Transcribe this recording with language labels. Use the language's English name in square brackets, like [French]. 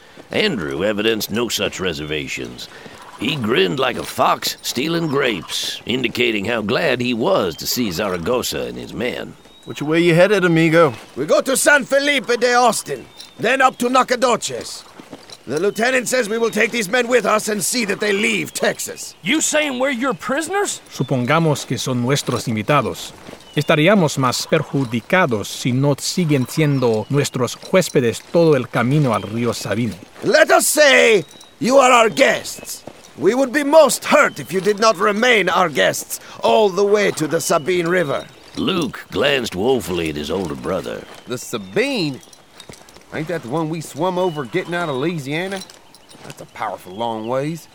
[English] Andrew evidenced no such reservations. He grinned like a fox stealing grapes, indicating how glad he was to see Zaragoza and his men. Which way you headed, amigo? We go to San Felipe de Austin, then up to Nacogdoches. The lieutenant says we will take these men with us and see that they leave Texas. You saying we're your prisoners? [Spanish] Supongamos que son nuestros invitados. Estaríamos más perjudicados si no siguen siendo nuestros huéspedes todo el camino al río Sabine. [English] Let us say you are our guests. We would be most hurt if you did not remain our guests all the way to the Sabine River. Luke glanced woefully at his older brother. The Sabine? Ain't that the one we swum over getting out of Louisiana? That's a powerful long ways.